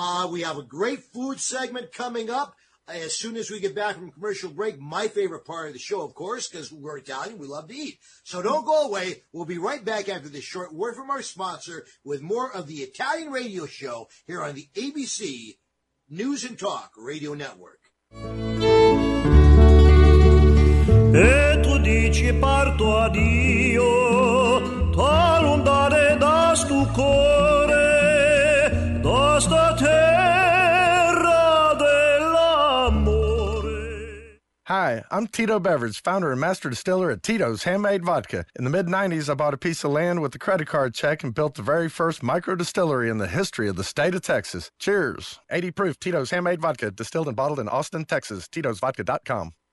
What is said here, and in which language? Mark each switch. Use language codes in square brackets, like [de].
[en] We have a great food segment coming up as soon as we get back from commercial break. My favorite part of the show, of course, because we're Italian, we love to eat. So don't go away. We'll be right back after this short word from our sponsor with more of the Italian radio show here on the ABC News and Talk Radio Network. [nap] E tu dici parto addio, t'allontanare da stu cuore, da sta terra dell'amore. [en] Hi, I'm Tito Beveridge, founder and master distiller at Tito's Handmade Vodka. In the mid-90s, I bought a piece of land with a credit card check and built the very first micro distillery in the history of the state of Texas. Cheers. 80 proof Tito's Handmade Vodka, distilled and bottled in Austin, Texas. Titosvodka.com.